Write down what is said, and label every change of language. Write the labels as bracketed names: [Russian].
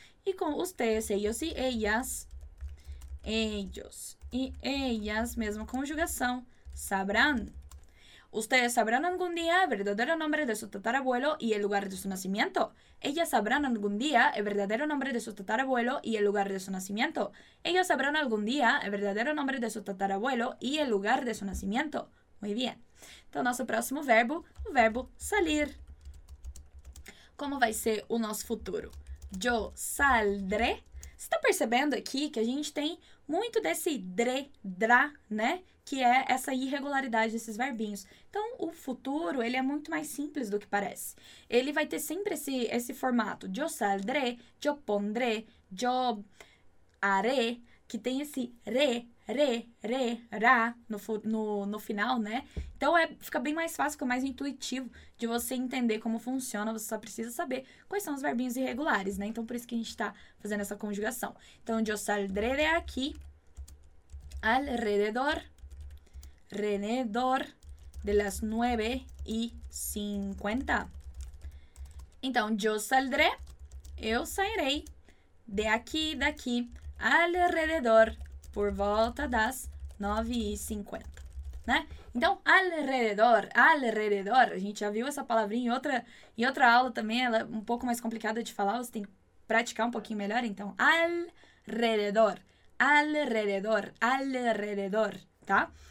[Spanish] Y con ustedes, ellos y ellas. Ellos y ellas, misma conjugación, sabrán. Ustedes sabrán algún día el verdadero nombre de su tatarabuelo y el lugar de su nacimiento. Ellas sabrán algún día el verdadero nombre de su tatarabuelo y el lugar de su nacimiento. Ellos sabrán algún día el verdadero nombre de su tatarabuelo y el lugar de su nacimiento. Muy bien. [Portuguese] Então, nosso próximo verbo, o verbo salir. Como vai ser o nosso futuro? [Spanish] Yo saldré. [Portuguese] Você está percebendo aqui que a gente tem muito desse dre, dra, né? Que é essa irregularidade desses verbinhos. Então, o futuro, ele é muito mais simples do que parece. Ele vai ter sempre esse formato. [Spanish] Yo saldré, yo pondré, yo haré, [Portuguese] que tem esse re. Re, re, ra, no final, né? Então, fica bem mais fácil, fica mais intuitivo de você entender como funciona. Você só precisa saber quais são os verbinhos irregulares, né? Então, por isso que a gente está fazendo essa conjugação. Então, [Spanish] yo saldré de aquí, alrededor, rededor de las 9:50. [Portuguese] Então, [Spanish] yo saldré, [Portuguese] eu sairei [Spanish] de aquí, [Portuguese] daqui, alrededor, por volta das 9:50, né? Então, alrededor, alrededor, a gente já viu essa palavrinha em outra aula também, ela é um pouco mais complicada de falar, você tem que praticar um pouquinho melhor, então, alrededor, alrededor, alrededor, tá?